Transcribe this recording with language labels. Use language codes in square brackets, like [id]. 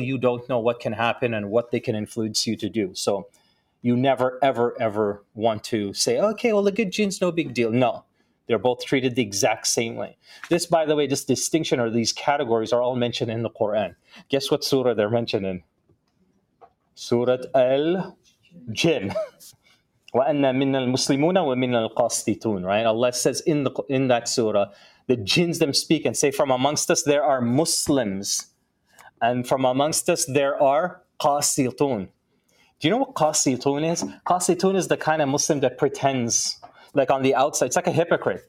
[en] You don't know what can happen and what they can influence you to do. So you never, ever, ever want to say, okay, well, the good jinn's no big deal. No, they're both treated the exact same way. This, by the way, this distinction or these categories are all mentioned in the Quran. Guess what surah they're mentioned in? Surat al-Jinn. [ar] وَأَنَّ مِنَّ الْمُسْلِمُونَ وَمِنَّ الْقَاسِطُونَ, [en] right? Allah says in that surah, the jinns them speak and say, from amongst us there are Muslims, and from amongst us there are qasitun. Do you know what qasitun is? Qasitun is the kind of Muslim that pretends, like on the outside, it's like a hypocrite.